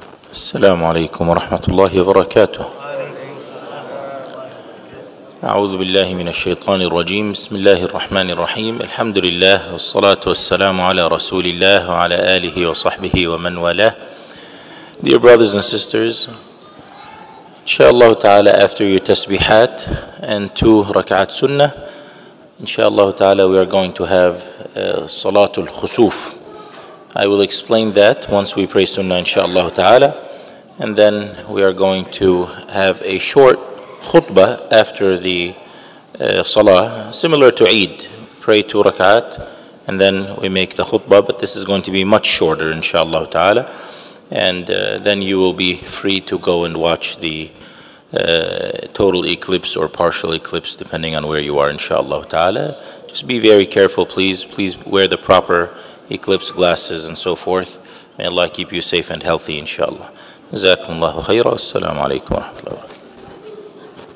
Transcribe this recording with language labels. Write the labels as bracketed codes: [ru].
[ar] السلام عليكم ورحمة الله وبركاته. أعوذ بالله من الشيطان الرجيم. بسم الله الرحمن الرحيم. الحمد لله والصلاة والسلام على رسول الله وعلى آله وصحبه ومن والاه. [en] Dear brothers and sisters, inshallah ta'ala, after your tasbihat and two rak'at sunnah, inshallah ta'ala, we are going to have salatul khusuf. I will explain that once we pray sunnah inshallah ta'ala. And then we are going to have a short khutbah after the salah, similar to Eid. Pray two rak'at and then we make the khutbah, but this is going to be much shorter inshallah ta'ala. And then you will be free to go and watch the total eclipse or partial eclipse, depending on where you are inshallah ta'ala. Just be very careful, please. Please wear the proper eclipse glasses and so forth. May Allah keep you safe and healthy inshallah. [ar] جزاكم الله خيرا والسلام عليكم ورحمة الله وبركاته.